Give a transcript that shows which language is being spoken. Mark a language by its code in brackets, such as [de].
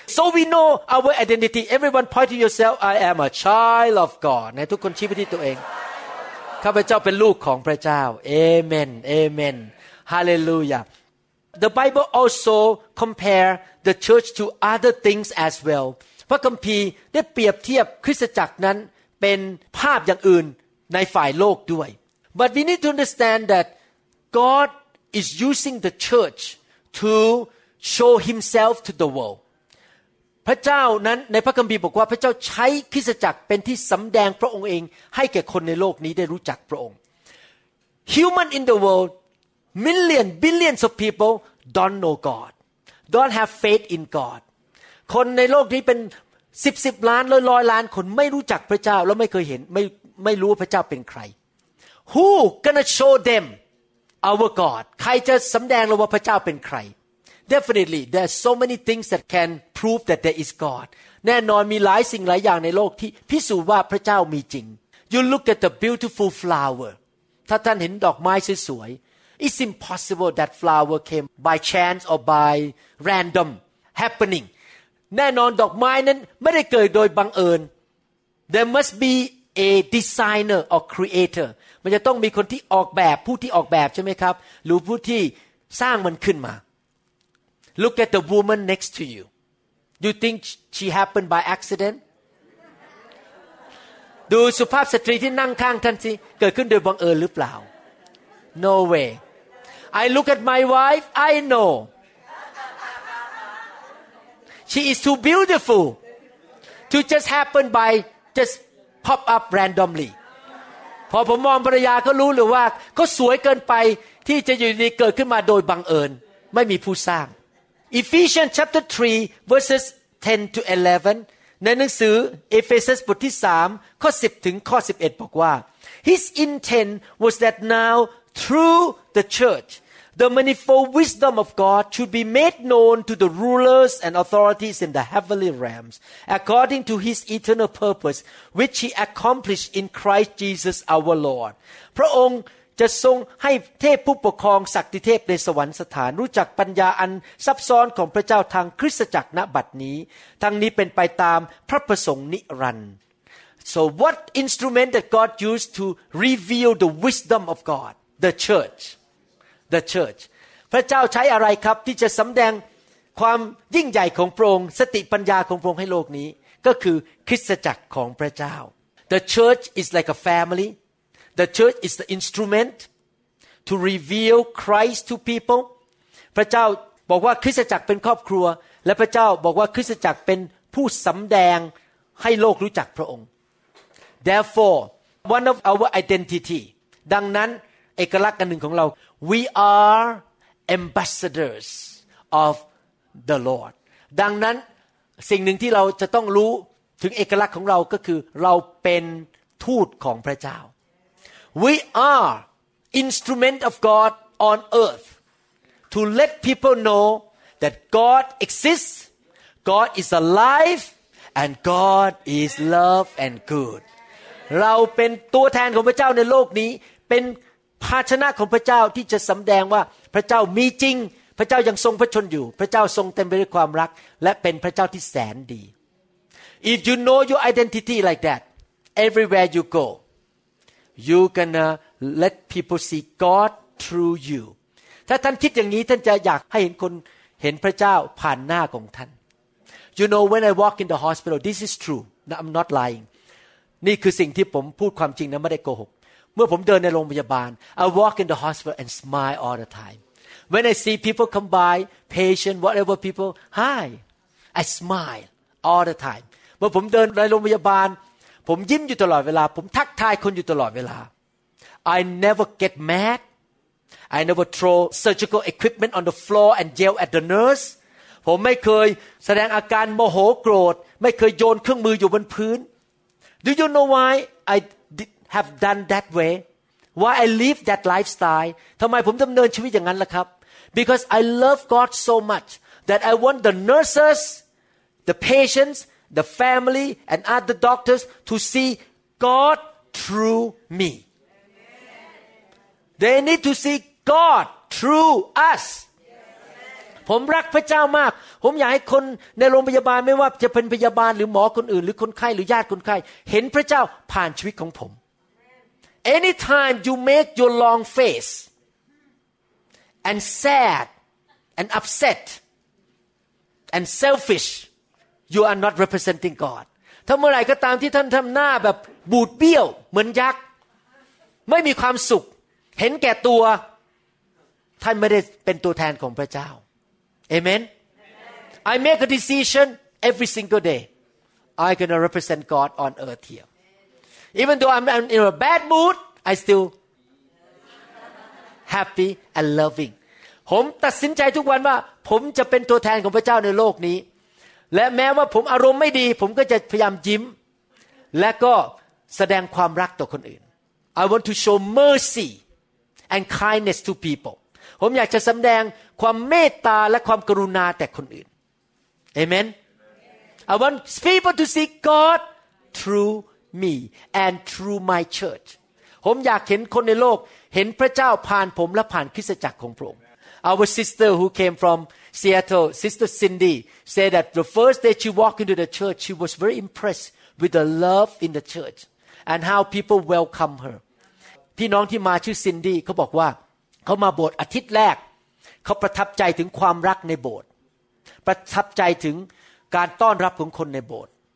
[en] So we know our identity Everyone point to yourself I am a child of God [th] ทุกคนชี้ไปที่ตัวเองข้าพเจ้าเป็นลูกของพระเจ้า [en] Amen Amen Hallelujah The Bible also compare the church to other things as well [th] พระคัมภีร์ได้เปรียบเทียบคริสตจักรนั้นเป็นภาพอย่างอื่นในฝ่ายโลกด้วย [en] But we need to understand that God is using the church to show himself to the world [th] พระเจ้านั้นในพระคัมภีร์บอกว่าพระเจ้าใช้คริสตจักรเป็นที่สำแดงพระองค์เองให้แก่คนในโลกนี้ได้รู้จักพระองค์ [en] Human in the world millions billions of people don't know God don't have faith in God [th] คนในโลกนี้เป็น10ล้านร้อยร้อยล้านคนไม่รู้จักพระเจ้าแล้วไม่เคยเห็นไม่รู้ว่าพระเจ้าเป็นใคร [en] Who gonna show them our God [th] ใครจะสำแดงเราว่าพระเจ้าเป็นใคร [en] Definitely there are so many things that can prove that there is God [th] แน่นอนมีหลายสิ่งหลายอย่างในโลกที่พิสูจน์ว่าพระเจ้ามีจริง [en] You look at the beautiful flower [th] ถ้าท่านเห็นดอกไม้สวยๆ [en] It's impossible that flower came by chance or by random happening [th] แน่นอนดอกไม้นั้นไม่ได้เกิดโดยบังเอิญ [en] There must be a designer or creator [th] มันจะต้องมีคนที่ออกแบบผู้ที่ออกแบบใช่ไหมครับหรือผู้ที่สร้างมันขึ้นมา [en] Look at the woman next to you You think she happened by accident? [th] ดูสุภาพสตรีที่นั่งข้างท่านสิเกิดขึ้นโดยบังเอิญหรือเปล่า [en] No way I look at my wife I knowShe is too beautiful to just happen by just pop up randomly. [th] พอผมมองภรรยาก็รู้เลยว่าก็สวยเกินไปที่จะอยู่ดีเกิดขึ้นมาโดยบังเอิญไม่มีผู้สร้าง [en] Ephesians chapter 3 verses 10 to 11 [th] ในหนังสือเอเฟซัสบทที่3ข้อ10ถึงข้อ11บอกว่า [en] His intent was that now through the churchThe manifold wisdom of God should be made known to the rulers and authorities in the heavenly realms, according to His eternal purpose, which He accomplished in Christ Jesus our Lord. [th] พระองค์จะทรงให้เทพผู้ปกครองศักดิ์เทพในสวรรคสถานรู้จักปัญญาอันซับซ้อนของพระเจ้าทางคริสตจักรณบัดนี้ทั้งนี้เป็นไปตามพระประสงค์นิรันดร์ [en] So what instrument that God used to reveal the wisdom of God? The church. The church. [th] พระเจ้าใช้อะไรครับที่จะสำแดงความยิ่งใหญ่ของพระองค์สติปัญญาของพระองค์ให้โลกนี้ก็คือคริสตจักรของพระเจ้า [en] The church is like a family. The church is the instrument to reveal Christ to people. [th] พระเจ้าบอกว่าคริสตจักรเป็นครอบครัวและพระเจ้าบอกว่าคริสตจักรเป็นผู้สำแดงให้โลกรู้จักพระองค์ [en] Therefore, one of our identity. [th] ดังนั้นเอกลักษณ์อันหนึ่งของเรา [en] We are ambassadors of the Lord. [th] ดังนั้นสิ่งหนึ่งที่เราจะต้องรู้ถึงเอกลักษณ์ของเราก็คือเราเป็นทูตของพระเจ้า [en] We are instrument of God on earth to let people know that God exists, God is alive, and God is love and good. [th] เราเป็นตัวแทนของพระเจ้าในโลกนี้เป็นภาชนะของพระเจ้าที่จะสำแดงว่าพระเจ้ามีจริงพระเจ้ายังทรงพระชนอยู่พระเจ้าทรงเต็มไปด้วยความรักและเป็นพระเจ้าที่แสนดี [en] If you know your identity like that everywhere you go you gonna let people see God through you [th] ถ้าท่านคิดอย่างนี้ท่านจะอยากให้เห็นคน ห็นพระเจ้าผ่านหน้าของท่าน [en] You know when I walk in the hospital this is true no, I'm not lying [th] นี่คือสิ่งที่ผมพูดความจริงนะไม่ได้โกหกเมื่อผมเดินในโรงพยาบาล [en] I walk in the hospital and smile all the time When I see people come by patient whatever people hi I smile all the time [th] เมื่อผมเดินในโรงพยาบาลผมยิ้มอยู่ตลอดเวลาผมทักทายคนอยู่ตลอดเวลา [en] I never get mad I never throw surgical equipment on the floor and yell at the nurse [th] ผมไม่เคยแสดงอาการโมโหโกรธไม่เคยโยนเครื่องมืออยู่บนพื้น [en] Do you know why I have done that way why I live that lifestyle [th] ทำไมผมดำเนินชีวิตอย่างนั้นล่ะครับ [en] Because I love God so much that I want the nurses the patientsThe family and other doctors to see God through me. They need to see God through us. [th] ผมรักพระเจ้ามากผมอยากให้คนในโรงพยาบาลไม่ว่าจะเป็นพยาบาลหรือหมอคนอื่นหรือคนไข้หรือญาติคนไข้เห็นพระเจ้าผ่านชีวิตของผม [en] Anytime you make your long face and sad and upset and selfishYou are not representing God. [th] ถ้าเมื่อไหร่ก็ตามที่ท่านทำหน้าแบบบูดเบี้ยวเหมือนยักษ์ไม่มีความสุขเห็นแก่ตัวท่านไม่ได้เป็นตัวแทนของพระเจ้า [en] Amen. I make a decision every single day. I gonna represent God on earth here. Even though I'm in a bad mood, I still happy and loving. [th] ผมตัดสินใจทุกวันว่าผมจะเป็นตัวแทนของพระเจ้าในโลกนี้และแม้ว่าผมอารมณ์ไม่ดีผมก็จะพยายามยิ้มและก็แสดงความรักต่อคนอื่น [en] I want to show mercy and kindness to people [th] ผมอยากจะแสดงความเมตตาและความกรุณาแต่คนอื่น [en] Amen I want people to see God through me and through my church [th] ผมอยากเห็นคนในโลกเห็นพระเจ้าผ่านผมและผ่านคริสตจักรของผม [en] Our sister who came fromSeattle, Sister Cindy said that the first day she walked into the church, she was very impressed with the love in the church and how people welcome her. [th] พี่น้องที่มาชื่อ Cindy เขาบอกว่าเขามาโบสถ์อาทิตย์แรกเขาประทับใจถึงความรักในโบสถ์ประทับใจถึงการต้อนรับของคนในโบสถ์